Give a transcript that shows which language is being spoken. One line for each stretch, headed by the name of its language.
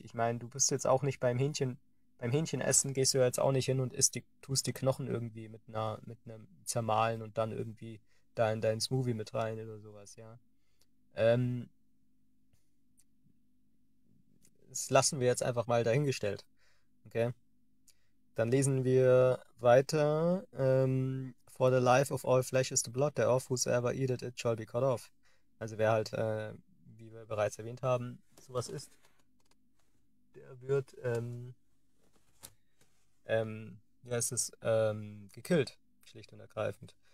German: Ich meine, du bist jetzt auch nicht beim Hähnchenessen gehst du ja jetzt auch nicht hin und tust die Knochen irgendwie mit einem zermahlen und dann irgendwie da in deinen Smoothie mit rein oder sowas, ja. Das lassen wir jetzt einfach mal dahingestellt, okay? Dann lesen wir weiter.
English: For the life of all flesh is the blood thereof, whosoever eateth it shall be cut off.
German: Also wer halt, wie wir bereits erwähnt haben, sowas isst, der wird, wie heißt es, gekillt, schlicht und ergreifend.